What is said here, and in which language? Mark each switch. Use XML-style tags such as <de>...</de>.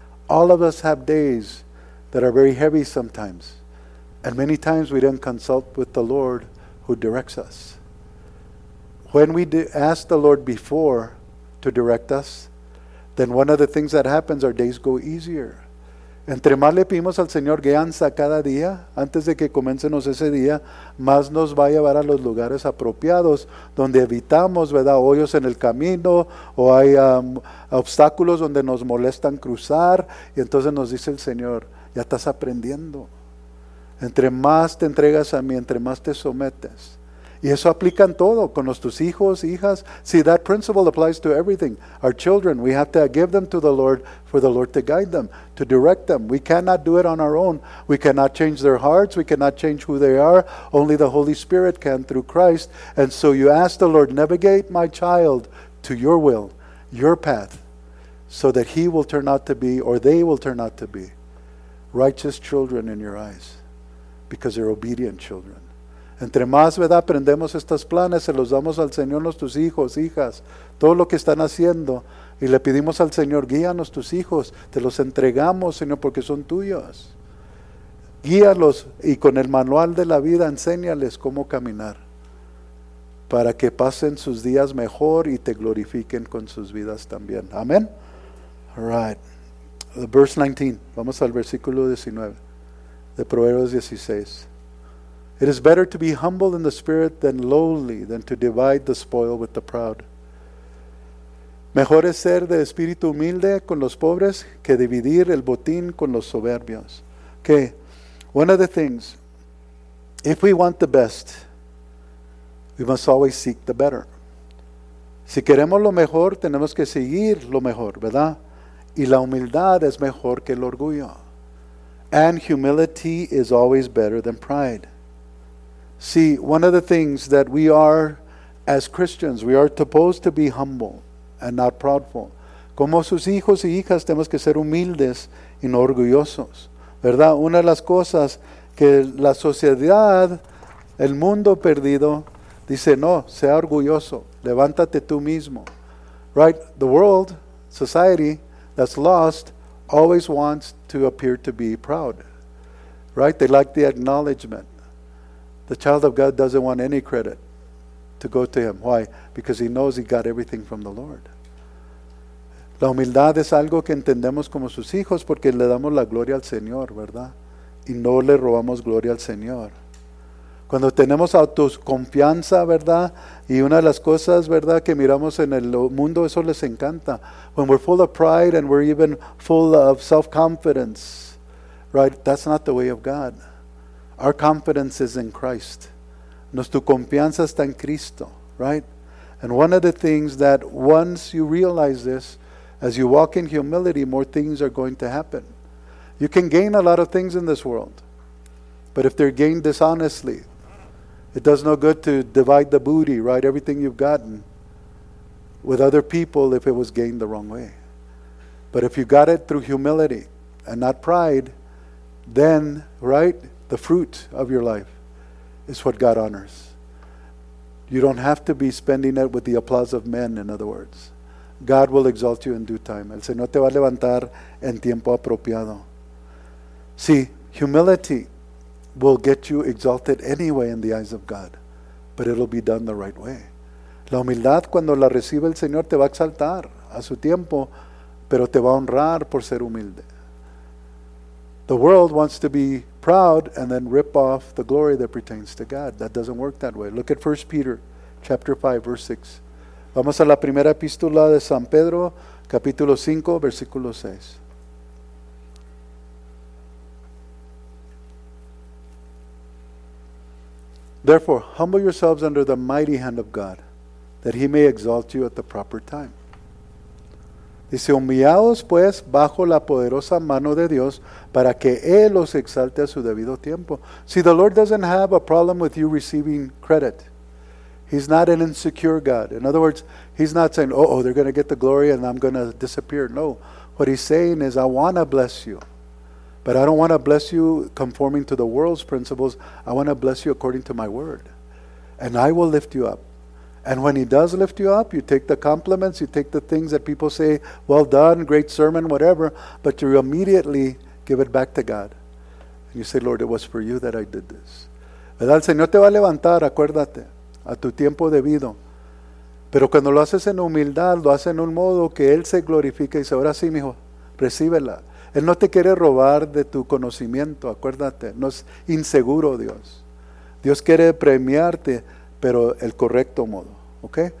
<en>All of us have days that are very heavy sometimes. And many times we don't consult with the Lord who directs us. When we ask the Lord before to direct us, then one of the things that happens, our days go easier.</en> <es>Entre más le pedimos al Señor guianza cada día, antes de que comencemos ese día, más nos va a llevar a los lugares apropiados, donde evitamos, ¿verdad?, hoyos en el camino, o hay obstáculos donde nos molestan cruzar, y entonces nos dice el Señor, ya estás aprendiendo. Entre más te entregas a mí, entre más te sometes. Y eso aplica en todo, con nuestros hijos, hijas.</es> <en>See, that principle applies to everything. Our children, we have to give them to the Lord for the Lord to guide them, to direct them. We cannot do it on our own. We cannot change their hearts. We cannot change who they are. Only the Holy Spirit can through Christ. And so you ask the Lord, navigate my child to your will, your path, so that he will turn out to be, or they will turn out to be, righteous children in your eyes. because they're obedient children.</en> <es>Entre más, ¿verdad?, aprendemos estos planes, se los damos al Señor, nuestros hijos, hijas, todo lo que están haciendo, y le pedimos al Señor, guíanos tus hijos, te los entregamos, Señor, porque son tuyos. Guíalos, y con el manual de la vida, enséñales cómo caminar, para que pasen sus días mejor y te glorifiquen con sus vidas también. Amén.</es> <en>All right. The verse 19.</en> <es>Vamos al versículo 19 de Proverbios 16.</es> <en>It is better to be humble in the spirit than lowly, than to divide the spoil with the proud.</en> <es>Mejor es ser de espíritu humilde con los pobres que dividir el botín con los soberbios.</es> <en>Okay. One of the things, if we want the best, we must always seek the better.</en> <es>Si queremos lo mejor, tenemos que seguir lo mejor, ¿verdad? Y la humildad es mejor que el orgullo.</es> <en>And humility is always better than pride. See, one of the things that we are as Christians, we are supposed to be humble and not proudful.</en> <es>Como sus hijos y hijas, tenemos que ser humildes y no orgullosos, ¿verdad? Una de las cosas que la sociedad, el mundo perdido, dice, no, sea orgulloso, levántate tú mismo.</es> <en>Right? The world, society, that's lost, always wants to appear to be proud. Right? They like the acknowledgement. The child of God doesn't want any credit to go to him. Why? Because he knows he got everything from the Lord.</en> <es>La humildad es algo que entendemos como sus hijos porque le damos la gloria al Señor, ¿verdad? Y no le robamos gloria al Señor. Cuando tenemos autoconfianza, ¿verdad? Y una de las cosas, ¿verdad?, que miramos en el mundo, eso les encanta.</es> <en>When we're full of pride and we're even full of self-confidence, right? That's not the way of God. Our confidence is in Christ.</en> <es>Nuestra confianza está en Cristo,</es> <en>right? And one of the things that once you realize this, as you walk in humility, more things are going to happen. You can gain a lot of things in this world. But if they're gained dishonestly, it does no good to divide the booty, right? Everything you've gotten with other people if it was gained the wrong way. But if you got it through humility and not pride, then, right, the fruit of your life is what God honors. You don't have to be spending it with the applause of men, in other words. God will exalt you in due time.</en> <es>El Señor te va a levantar en tiempo apropiado.</es> <en>See, humility will get you exalted anyway in the eyes of God, but it'll be done the right way.</en> <es>La humildad, cuando la recibe el Señor, te va a exaltar a su tiempo, pero te va a honrar por ser humilde.</es> <en>The world wants to be proud and then rip off the glory that pertains to God. That doesn't work that way. Look at 1 Peter chapter 5, verse 6.</en> <es>Vamos a la primera epístola de San Pedro, capítulo 5, versículo 6.</es> <en>Therefore, humble yourselves under the mighty hand of God, that he may exalt you at the proper time.</en> <es>Dice, humillaos pues bajo la poderosa mano de Dios para que él os exalte a su debido tiempo.</es> <en>See, the Lord doesn't have a problem with you receiving credit. He's not an insecure God. In other words, he's not saying, oh, they're going to get the glory and I'm going to disappear. No, what he's saying is, I want to bless you. But I don't want to bless you conforming to the world's principles. I want to bless you according to my word. And I will lift you up. And when he does lift you up, you take the compliments, you take the things that people say, well done, great sermon, whatever, but you immediately give it back to God. And you say, Lord, it was for you that I did this.</en> <es>¿Verdad? El Señor te va a levantar, acuérdate, a tu tiempo debido. Pero cuando lo haces en humildad, lo haces en un modo que él se glorifica y dice, ahora sí, mijo, recíbela. Él no te quiere robar de tu conocimiento, acuérdate. No es inseguro Dios. Dios quiere premiarte, pero el correcto modo. ¿Ok?</es>